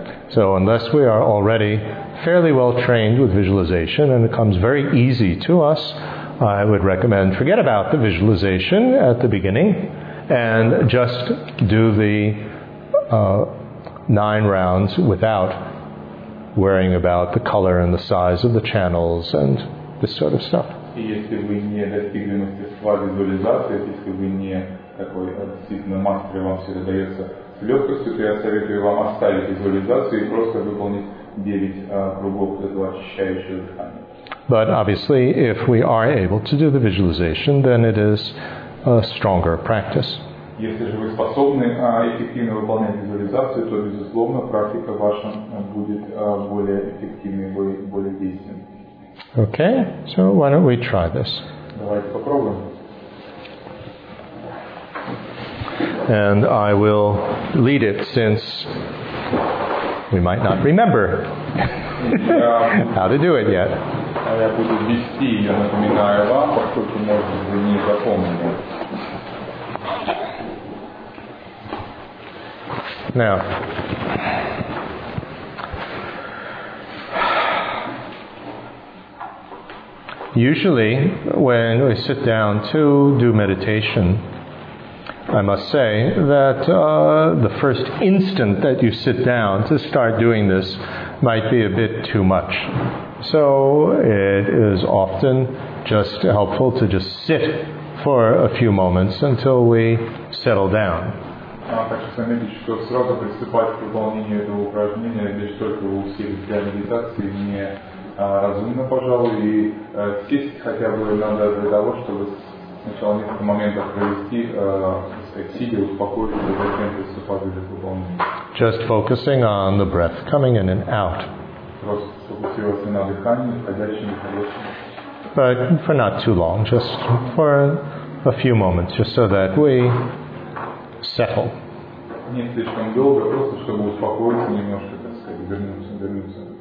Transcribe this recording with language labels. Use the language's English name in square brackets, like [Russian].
[English] So unless we are already fairly well trained with visualization and it comes very easy to us, I would recommend forget about the visualization at the beginning and just do the 9 rounds without worrying about the color and the size of the channels and this sort of stuff. [Russian] И если вы не достигли мастерства визуализации, если вы не такой действительно мастер, вам всегда дается с легкостью, то я советую вам оставить визуализацию и просто выполнить 9 кругов этого очищающего дыхания. [English] But obviously, if we are able to do the visualization, then it is a stronger practice. [Russian] Если же вы способны эффективно выполнять визуализацию, то, безусловно, практика ваша будет более эффективной, более действенной. [English] Okay, so why don't we try this? [Russian] Давайте попробуем. [English] And I will lead it since we might not remember how to do it yet. [Russian] Я буду вести, я напоминаю вам, поскольку, может быть, вы не запомнили. [English] Now, usually, when we sit down to do meditation, I must say that the first instant that you sit down to start doing this might be a bit too much. So it is often just helpful to just sit for a few moments until we settle down. [Russian] Хочу заметить, что сразу приступать к выполнению этого упражнения, лишь только вы усилились для медитации, не разумно, пожалуй, и сесть хотя бы надо для того, чтобы сначала несколько моментов провести, сидя, успокоиться, затем приступать к выполнению. [English] Just focusing on the breath coming in and out. [Russian] Просто сфокусироваться на дыхании, входящем и выходящем. [English] But for not too long, just for a few moments, just so that we settle. [Russian] Не слишком долго, просто чтобы успокоиться немножко, так сказать, вернуться.